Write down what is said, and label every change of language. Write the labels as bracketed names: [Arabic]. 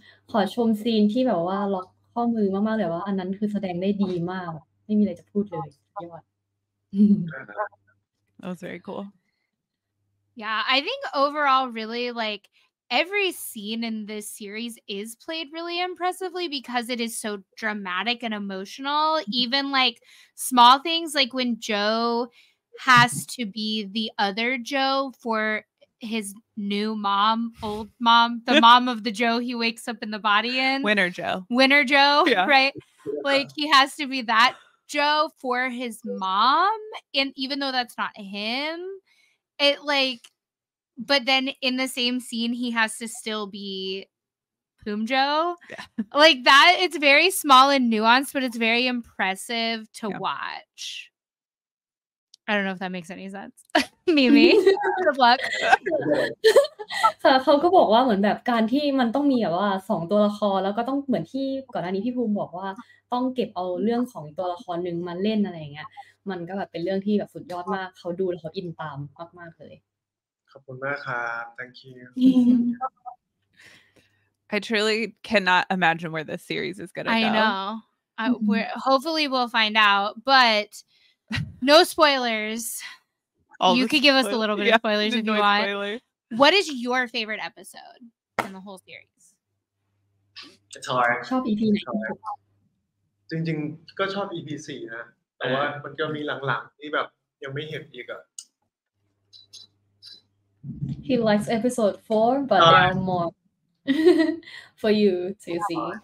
[Thai] ขอชมซีนที่แบบว่าล็อกข้อมือมากๆเลยว่าอันนั้นคือแสดงได้ดีมากไม่มีอะไรจะพูดเลยยอด [English] That was very cool. Yeah, I think overall really like every scene in this series is played really impressively because it is so dramatic and emotional. Even like small things like when Joe has to be the other Joe for his new mom, old mom, the mom of the Joe he wakes up in the body in. Winter Joe, yeah. Right? Yeah. Like he has to be that Joe for his mom. And even though that's not him, it like, but then in the same scene, he has to still be Poom Joe. Yeah. Like that, it's very small and nuanced, but it's very impressive to watch. I don't know if that makes any sense. Mimi, good luck. [Thai] เขาก็บอกว่าเหมือนแบบการที่มันต้องมีแบบว่าสองตัวละครแล้วก็ต้องเหมือนที่ก่อนหน้านี้พี่ภูมิบอกว่าต้องเก็บเอาเรื่องของตัวละครหนึ่งมาเล่นอะไรอย่างเงี้ยมันก็แบบเป็นเรื่องที่แบบสุดยอดมากเขาดูแล้วเขาอินตามมากมากเลย ขอบคุณมากครับ [English] thank you I truly cannot imagine where this series is gonna go. I know. Hopefully we'll find out, but no spoilers. You could give us a little bit of spoilers if you want. Spoiler. What is your favorite episode in the whole series? It's hard. [Thai] ชอบ EP จริงๆก็ชอบ EP 4นะแต่ว่ามันก็มีหลังๆที่แบบยังไม่เห็นอีกอ่ะ [English] He likes episode 4 but there are more for you to see.